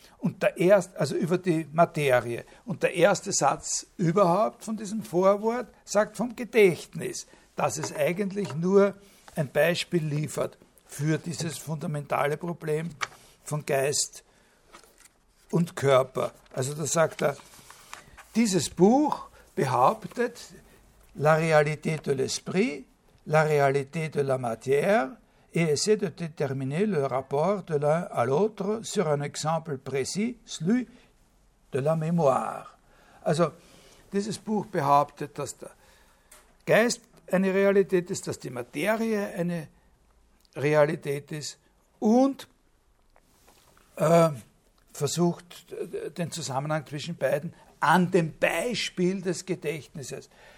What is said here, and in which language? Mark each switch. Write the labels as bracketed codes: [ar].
[de] Und der erste, also über die Materie. Und der erste Satz überhaupt von diesem Vorwort sagt vom Gedächtnis, dass es eigentlich nur ein Beispiel liefert für dieses fundamentale Problem von Geist und Körper. Also da sagt er, dieses Buch behauptet [fr] la réalité de l'esprit, la réalité de la matière, et essaie de déterminer le rapport de l'un à l'autre sur un exemple précis, celui de la mémoire. [de] Also, dieses Buch behauptet, dass der Geist eine Realität ist, dass die Materie eine Realität ist und versucht, den Zusammenhang zwischen beiden an dem Beispiel des Gedächtnisses.